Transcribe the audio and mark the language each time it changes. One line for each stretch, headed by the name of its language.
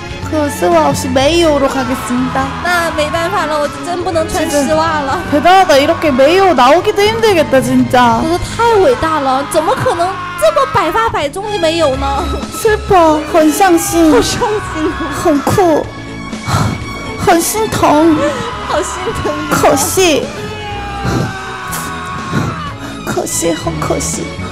Korean: 그럼 스와 없이 메이오로 가겠습니다.
Chinese: 나 没办法了, 我 真不能 穿 스와了.
Korean: 대단하다, 이렇게 메이오 나오기도 힘들겠다 진짜.
Chinese: 太伟大了, 怎么可能 这么百发百中的没有呢?
Korean: 슬퍼,
Chinese: 很伤心, 好伤心, 很酷, 很心疼, 好心疼, 可惜, 可惜, 很可惜.